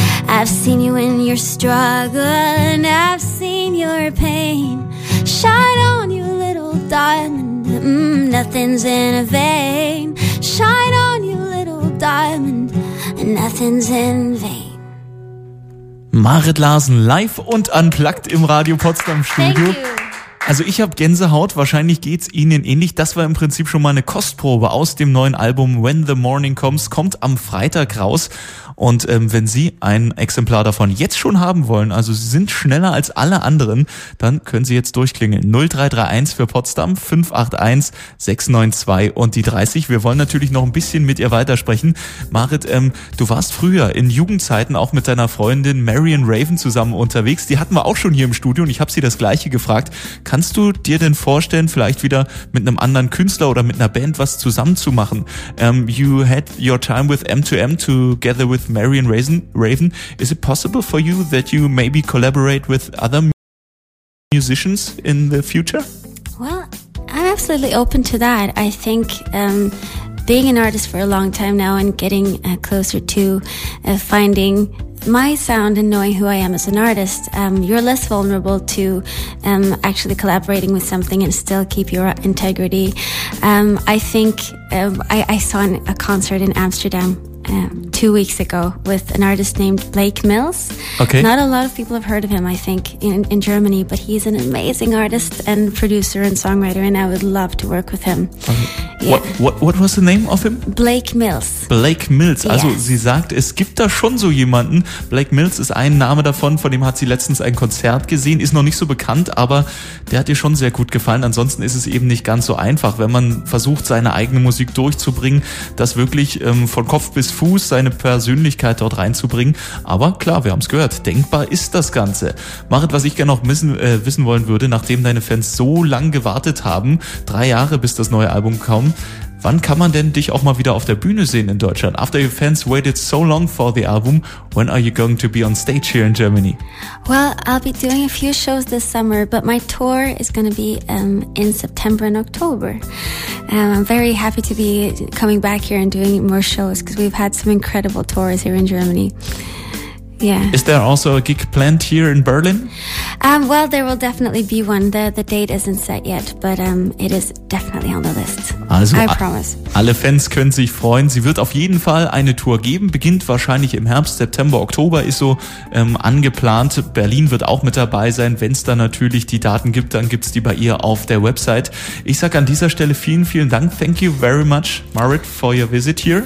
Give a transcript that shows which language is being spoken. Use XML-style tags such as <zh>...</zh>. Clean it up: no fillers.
<en>I've seen you in your struggle and I've seen your pain. Shine on, you little diamond, nothing's in vain. Shine on, you little diamond, nothing's in vain.</en> <de>Marit Larsen live und unplugged im Radio Potsdam Studio. Also ich habe Gänsehaut, wahrscheinlich geht's Ihnen ähnlich. Das war im Prinzip schon mal eine Kostprobe aus dem neuen Album When the Morning Comes, kommt am Freitag raus. Und wenn Sie ein Exemplar davon jetzt schon haben wollen, also Sie sind schneller als alle anderen, dann können Sie jetzt durchklingeln. 0331 für Potsdam, 581 692 und die 30. Wir wollen natürlich noch ein bisschen mit ihr weitersprechen. Marit, du warst früher in Jugendzeiten auch mit deiner Freundin Marion Raven zusammen unterwegs. Die hatten wir auch schon hier im Studio und ich habe sie das Gleiche gefragt. Kannst du dir denn vorstellen, vielleicht wieder mit einem anderen Künstler oder mit einer Band was zusammenzumachen?</de> <en>You had your time with M2M together with Marion Raven. Is it possible for you that you maybe collaborate with other musicians in the future? Well, I'm absolutely open to that. I think being an artist for a long time now and getting closer to finding my sound and knowing who I am as an artist, you're less vulnerable to actually collaborating with something and still keep your integrity. I think I saw a concert in Amsterdam 2 weeks ago with an artist named Blake Mills. Okay. Not a lot of people have heard of him, I think, in Germany, but he's an amazing artist and producer and songwriter, and I would love to work with him. Okay. Yeah. What was the name of him? Blake Mills. Blake Mills. Also yeah.</en> <de>Sie sagt, es gibt da schon so jemanden. Blake Mills ist ein Name davon, von dem hat sie letztens ein Konzert gesehen. Ist noch nicht so bekannt, aber der hat ihr schon sehr gut gefallen. Ansonsten ist es eben nicht ganz so einfach, wenn man versucht, seine eigene Musik durchzubringen, das wirklich von Kopf bis Fuß, seine Persönlichkeit dort reinzubringen. Aber klar, wir haben es gehört, denkbar ist das Ganze. Marit, was ich gerne noch wissen wollen würde, nachdem deine Fans so lange gewartet haben, 3 Jahre, bis das neue Album kam, wann kann man denn dich auch mal wieder auf der Bühne sehen in Deutschland?</de> <en>After your fans waited so long for the album, when are you going to be on stage here in Germany? Well, I'll be doing a few shows this summer, but my tour is going to be in September and October. I'm very happy to be coming back here and doing more shows, because we've had some incredible tours here in Germany. Yeah. Is there also a gig planned here in Berlin? Well, there will definitely be one. The date isn't set yet, but it is definitely on the list.</en> <de>Also,</de> <en>I promise.</en> <de>Alle Fans können sich freuen. Sie wird auf jeden Fall eine Tour geben. Beginnt wahrscheinlich im Herbst, September, Oktober ist so angeplant. Berlin wird auch mit dabei sein. Wenn es da natürlich die Daten gibt, dann gibt's die bei ihr auf der Website. Ich sag an dieser Stelle vielen, vielen Dank.</de> <en>Thank you very much, Marit, for your visit here.</en>